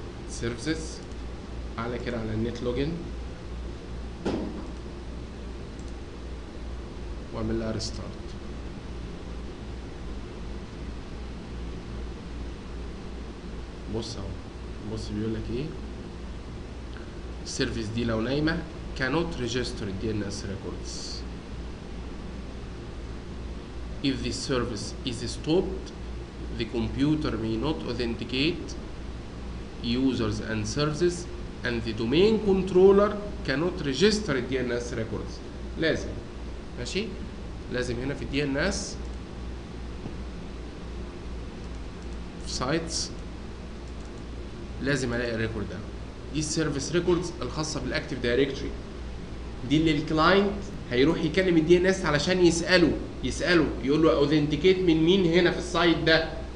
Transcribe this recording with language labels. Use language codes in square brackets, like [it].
[ar] سيرفيسز على كده على النت لوجن واعمل لها ريستارت. بص اهو بص بيقول لك ايه السيرفيس دي لو نايمة [en] cannot register DNS records. If the service is stopped, the computer may not authenticate users and services and the domain controller cannot register DNS records. [ar] لازم ماشي؟ لازم هنا في DNS sites لازم الاقي الريكورد ده. دي السيرفيس ريكوردز الخاصة بالاكتيف دايركتوري. دي اللي الكلاينت هيروح يكلم الدي ان اس علشان يسأله يقول له اوثنتيكيت من مين هنا في السايت ده.